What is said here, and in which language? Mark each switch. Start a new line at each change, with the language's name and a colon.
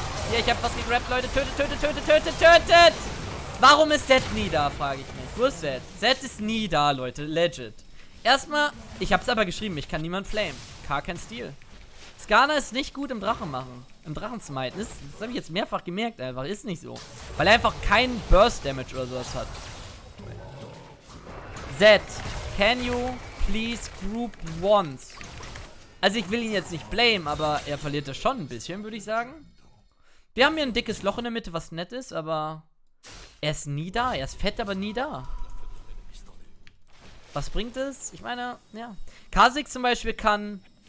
German: Hier, ich hab was gegrabt, Leute. Tötet, tötet, tötet, tötet, tötet. Warum ist Zed nie da, frage ich mich. Wo ist Zed? Zed ist nie da, Leute. Legit. Erstmal, ich hab's aber geschrieben. Ich kann niemand flamen. Kha kein Stil. Skarner ist nicht gut im Drachen machen. Im Drachen smiten. Das habe ich jetzt mehrfach gemerkt, einfach. Ist nicht so. Weil er einfach keinen Burst Damage oder sowas hat.
English: Zed, can you please group once?
German: Also ich will ihn jetzt nicht blame, aber er verliert das schon ein bisschen, würde ich sagen. Wir haben hier ein dickes Loch in der Mitte, was nett ist, aber er ist nie da. Er ist fett, aber nie da. Was bringt es? Ich meine, ja. Kha'Zix zum Beispiel kann...